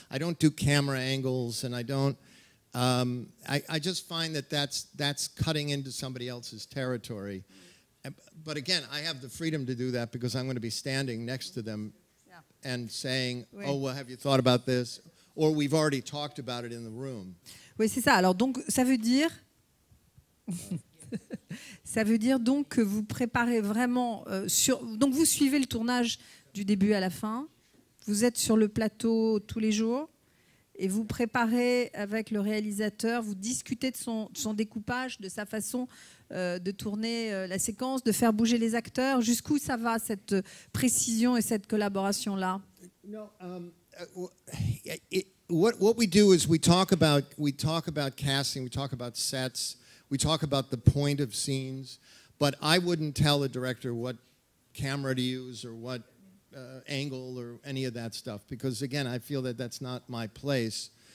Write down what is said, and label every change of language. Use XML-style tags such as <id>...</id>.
<en>I don't do camera angles, and I don't. I just find that's cutting into somebody else's territory. But again, I have the freedom to do that because I'm going to be standing next to them and saying, oui. Oh, well, have you thought about this? Or we've already talked about it in the room.</en> <fr>Oui, c'est ça. Alors, donc, ça veut dire... ça veut dire, donc, que vous préparez vraiment... Donc, vous suivez le tournage du début à la fin. Vous êtes sur le plateau tous les jours. Et vous préparez avec le réalisateur. Vous discutez de son découpage, de sa façon de tourner la séquence, de faire bouger les acteurs. Jusqu'où ça va, cette précision et cette collaboration-là?</fr> <en>What we do is we talk about casting, we talk about sets, we talk about the point of scenes, but I wouldn't tell a director what camera to use or what angle or any of that stuff, because again, I feel that that's not my place.</en>